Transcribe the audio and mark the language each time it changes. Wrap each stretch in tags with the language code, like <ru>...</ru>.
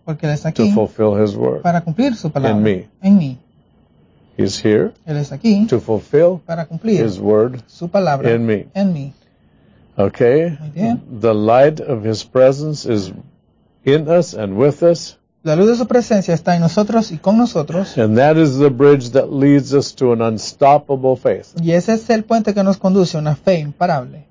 <es>Porque él está aquí.</es> <en>To fulfill his word.</en> <es>Para cumplir su palabra.</es> <en>In me.</en> <es>En mí.</es> <en>He's here</en> <es>Él está aquí</es> <en>to fulfill</en> <es>para cumplir</es> <en>his word</en> <es>su palabra</es> <en>in me.</en> <es>En mí.</es> <en>Okay. The light of his presence is in us and with us.</en> <es>La luz de su presencia está en nosotros y con nosotros.</es> <en>And that is the bridge that leads us to an unstoppable faith.</en> <es>Y ese es el puente que nos conduce a una fe imparable.</es>